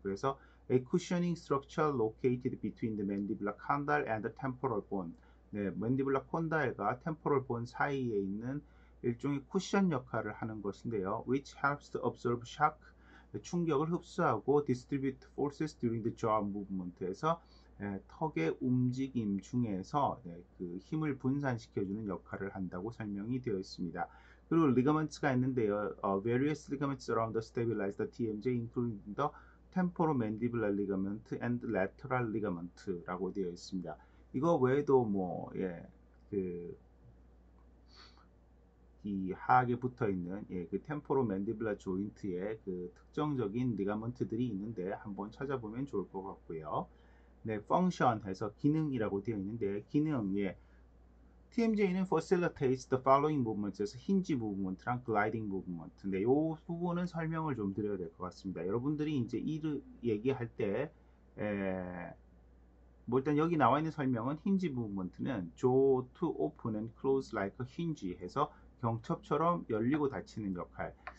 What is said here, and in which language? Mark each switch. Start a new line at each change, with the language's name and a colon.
English: 그래서 a cushioning structure located between the mandibular condyle and the temporal bone.
Korean: 네, mandibular condyle과 temporal bone 사이에 있는 일종의 쿠션 역할을 하는 것인데요.
English: which helps to absorb shock
Korean: 충격을 흡수하고
English: distribute forces during the jaw movement
Korean: 에서 턱의 움직임 중에서 그 힘을 분산시켜주는 역할을 한다고 설명이 되어 있습니다. 그리고 리가먼츠가 있는데요.
English: various ligaments around the stabilize the TMJ including the temporomandibular ligament and lateral ligament라고 되어 있습니다.
Korean: 이거 외에도 뭐, 이 하악에 붙어 있는 그 temporomandibular joint의 그 특정적인 리가먼트들이 있는데 한번 찾아보면 좋을 것 같고요.
English: 네, function 해서
Korean: 기능이라고 되어 있는데
English: 기능 TMJ는 facilitates the following movements에서 hinge movement랑 gliding movement.
Korean: 네, 요 부분은 설명을 좀 드려야 될것 같습니다. 여러분들이 이제 이를 얘기할 때, 뭐 일단 여기 나와 있는 설명은 hinge movement는
English: jaw to open and close like a hinge
Korean: 해서 경첩처럼 열리고 닫히는 역할.